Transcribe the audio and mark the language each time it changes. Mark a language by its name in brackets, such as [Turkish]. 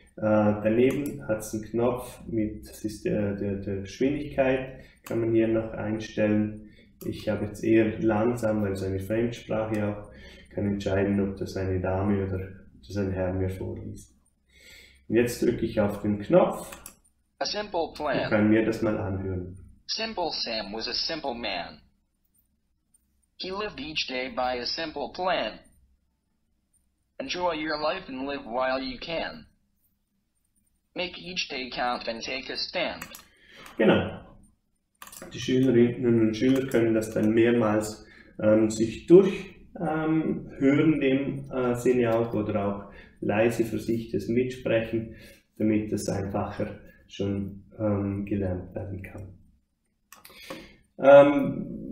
[German] Daneben hat es einen Knopf mit das ist der Geschwindigkeit, kann man hier noch einstellen. Ich habe jetzt eher langsam, weil es eine Fremdsprache auch, kann entscheiden, ob das eine Dame oder das ein Herr mir vorliest. Und jetzt drücke ich auf den Knopf. [English] A simple [German] Und [English] plan. [German] kann mir das mal anhören. [English] Simple Sam was a simple man. He lived each day by a simple plan. Enjoy your life and live while you can. Make each day count and take a stand. [German] Genau. Die Schülerinnen und Schüler können das dann mehrmals sich durch hören, dem Sinne auch oder auch leise für sich das mitsprechen, damit das einfacher schon gelernt werden kann.